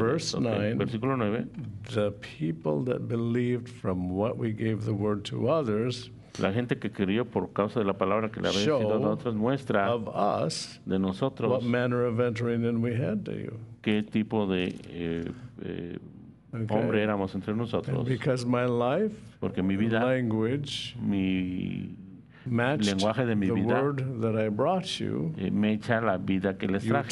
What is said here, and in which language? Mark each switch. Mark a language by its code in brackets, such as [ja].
[en] Verse 9. [es] Versículo 9. [en] The people that believed from what we gave the word to others. [es] La gente que creyó por causa de la palabra que le había sido dada a otros muestra [en] of us [es] de nosotros [en] what manner of entering in we had to you. [es] Qué tipo de hombre éramos entre nosotros. [en] And because my life, [es] porque mi vida, [en] language, [es] mi [en] matched the word that I brought you, [es] me echa la vida que les traje.